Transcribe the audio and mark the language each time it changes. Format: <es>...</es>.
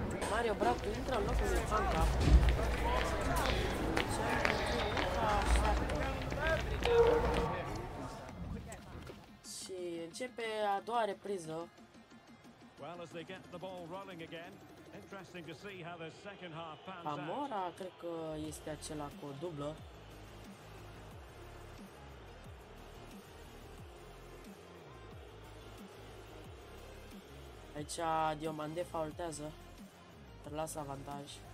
<ro>Mario Bracu intră în locul lui Panca. Și începe a doua repriză.</ro> <en>Well, as they get the ball rolling again. Interesting to see how the second half pans out.</en> <ro>Amora cred că este acela cu o dublă. Aici Diomande faultează. Dar lasă avantaj.</ro>